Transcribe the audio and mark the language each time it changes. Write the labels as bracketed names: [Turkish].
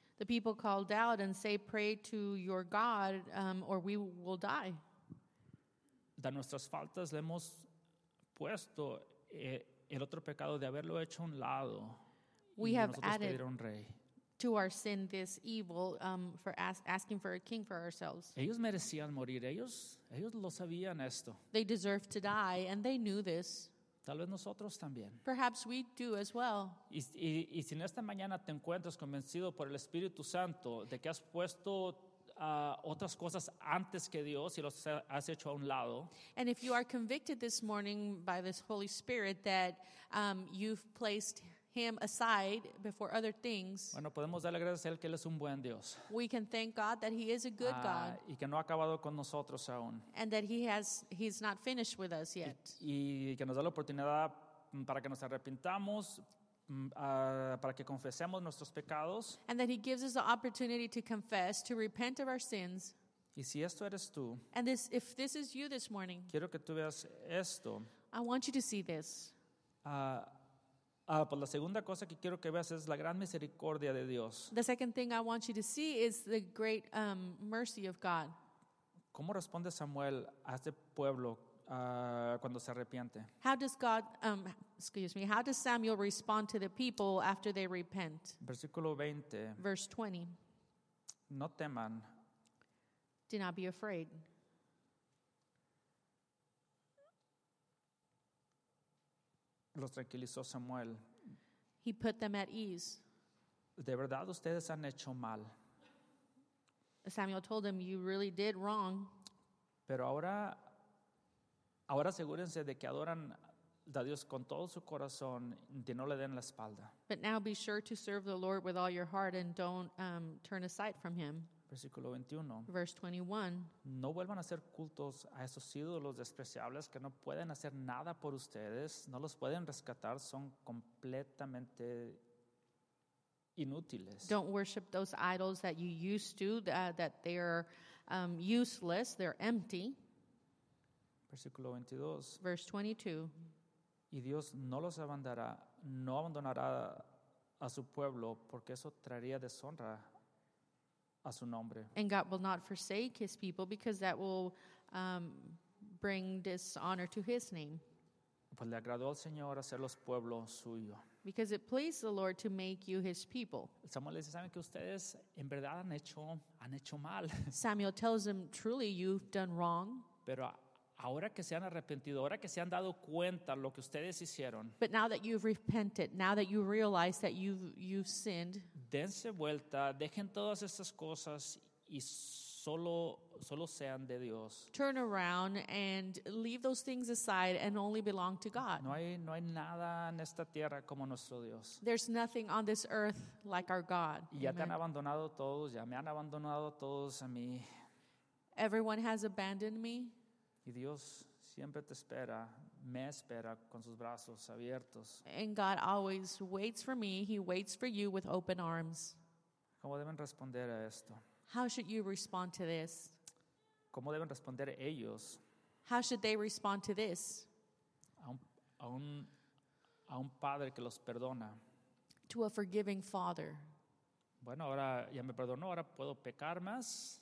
[English] The people called out and say, pray to your God or we will die. [Spanish] De nuestras faltas le hemos puesto el otro pecado de haberlo hecho a un lado [English] We have added to our sin this evil for asking for a king for ourselves. [Spanish] Ellos merecían morir. Ellos lo sabían esto. [English] They deserve to die, and they knew this. [Spanish] Tal vez nosotros también. [English] Perhaps we do as well. [Spanish] Y si en esta mañana te encuentras convencido por el Espíritu Santo de que has puesto otras cosas antes que Dios y los has hecho a un lado. [English] And if you are convicted this morning by this Holy Spirit that you've placed him aside before other things. [Spanish] Bueno, podemos darle gracias a él que él es un buen Dios. [English] We can thank God that he is a good God. [Spanish] Y que no ha acabado con nosotros aún. [English] And that he's not finished with us yet. [Spanish] Y que nos da la oportunidad para que nos arrepintamos, para que confesemos nuestros pecados. [English] And that he gives us the opportunity to confess, to repent of our sins. [Spanish] Y si esto eres tú. [English] And this, if this is you this morning. [Spanish] Quiero que tú veas esto. [English] I want you to see this. [Spanish] Pues la segunda cosa que quiero que veas es la gran misericordia de Dios. [English] The second thing I want you to see is the great mercy of God. [Spanish] ¿Cómo responde Samuel a este pueblo cuando se arrepiente? [English] How does God, how does Samuel respond to the people after they repent? [Spanish] Versículo 20. [English] Verse 20. [Spanish] No teman. [English] Do not be afraid. [Spanish] Los tranquilizó Samuel. [English] He put them at ease. [Spanish] De verdad, ustedes han hecho mal. [English] Samuel told them, you really did wrong. [Spanish] Pero ahora asegúrense de que adoran a Dios con todo su corazón y no le den la espalda. [English] But now be sure to serve the Lord with all your heart and don't turn aside from him. [Spanish] Versículo 21. [English] Verse 21. [Spanish] No vuelvan a hacer cultos a esos ídolos despreciables que no pueden hacer nada por ustedes, no los pueden rescatar, son completamente inútiles. [English] Don't worship those idols that you used to, that they're useless, they're empty. [Spanish] Versículo 22. [English] Verse 22. [Spanish] Y Dios no los abandonará, no abandonará a su pueblo porque eso traería deshonra a su nombre. [English] And God will not forsake his people because that will bring dishonor to his name. [Spanish] Pues le agradó al Señor hacerlos pueblo suyo. [English] Because it pleased the Lord to make you his people. [Spanish] Samuel le dice, ¿saben que ustedes en verdad han hecho mal? [English] Samuel tells him, truly you've done wrong. [Spanish] Pero ahora que se han arrepentido, ahora que se han dado cuenta lo que ustedes hicieron. [English] But now that you've repented, now that you realize that you've sinned. [Spanish] Dense vuelta, dejen todas estas cosas y solo sean de Dios. [English] Turn around and leave those things aside and only belong to God. [Spanish] No hay nada en esta tierra como nuestro Dios. [English] There's nothing on this earth like our God. [Spanish] Y ya te han abandonado todos, ya me han abandonado todos a mí. [English] Everyone has abandoned me. [Spanish] Y Dios siempre te espera, me espera con sus brazos abiertos. [English] And God always waits for me. He waits for you with open arms. [Spanish] ¿Cómo deben responder a esto? [English] How should you respond to this? [Spanish] ¿Cómo deben responder ellos? [English] How should they respond to this? [Spanish] A un padre que los perdona. [English] To a forgiving father. [Spanish] Bueno, ahora ya me perdonó, ahora puedo pecar más.